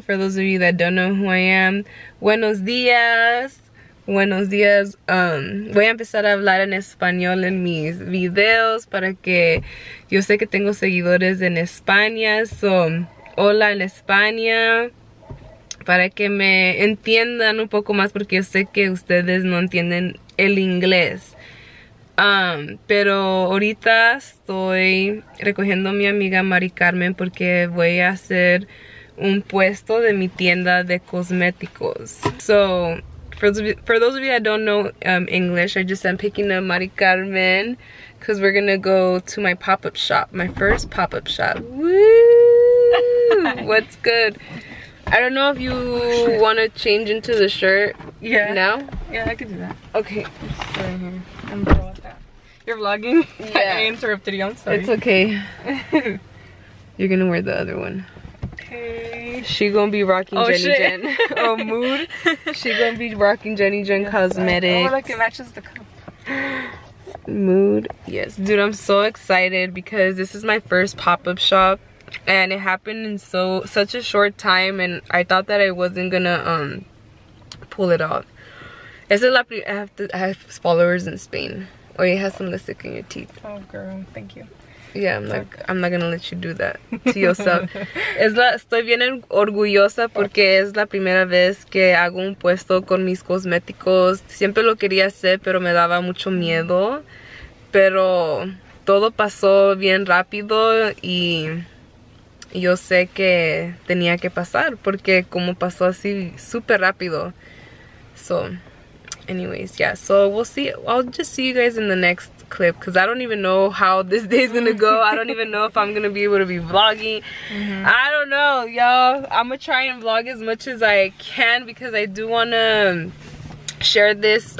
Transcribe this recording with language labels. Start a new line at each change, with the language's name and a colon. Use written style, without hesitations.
English: For those of you that don't know who I am,
Spanish: buenos dias. Buenos dias. Voy a empezar a hablar en español en mis videos para que yo sé que tengo seguidores en España. So, hola en España. Para que me entiendan un poco más porque yo sé que ustedes no entienden el inglés. Pero ahorita estoy recogiendo a mi amiga Mari Carmen porque voy a hacer un puesto de mi tienda de cosméticos.
English: So, for those of you that don't know English, I just am picking up Mari Carmen because we're gonna go to my pop-up shop, my first pop-up shop. Woo! What's good? I don't know if you want to change into the shirt. Yeah. Now? Yeah, I could do that. Okay. I'm just right here. I'm cool with that. You're vlogging? Yeah. I interrupted you. I'm sorry. It's okay. You're going to wear the other one. Okay. She going to be rocking GeniGen. Oh, mood. She going to be rocking GeniGen Cosmetics. Oh, like it matches the cup. Mood. Yes. Dude, I'm so excited because this is my first pop-up shop. And it happened in such a short time, and I thought that I wasn't gonna pull it off. Es el I have to, I have followers in Spain. Oh, you have some lipstick in your teeth. Oh, girl, thank you. Yeah, I'm not gonna let you do that to yourself.
Spanish: Estoy bien orgullosa porque es la primera vez que hago un puesto con mis cosméticos. Siempre lo quería hacer, pero me daba mucho miedo. Pero todo pasó bien rápido y yo sé que tenía que pasar porque como pasó así super rápido.
English: So anyways, yeah, so we'll see. I'll just see you guys in the next clip because I don't even know how this day's gonna go. I don't even know if I'm gonna be able to be vlogging. Mm-hmm. I don't know, y'all. I'm gonna try and vlog as much as I can because I do want to share this.